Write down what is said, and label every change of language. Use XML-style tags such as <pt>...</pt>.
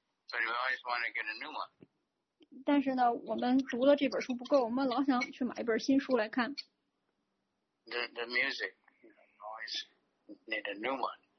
<en>But we always want to get a new one.</en> <zh>但是呢，我们读了这本书不够，我们老想去买一本新书来看。</zh> <en>The music, you always need a new one.</en>